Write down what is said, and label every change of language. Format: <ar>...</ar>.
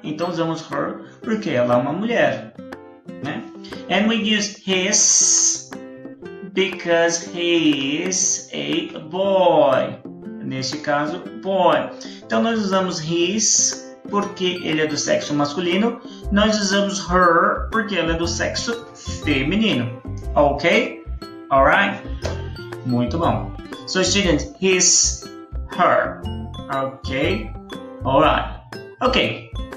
<pt>Então, usamos her porque ela é uma mulher. Né?</pt> <en>And we use his because he is a boy.</en> <pt>Neste caso, boy. Então, nós usamos his porque ele é do sexo masculino. Nós usamos her porque ela é do sexo feminino. Ok? Alright? Muito bom.</pt> <en>So, students, his, her. Ok? Alright. Ok.</en>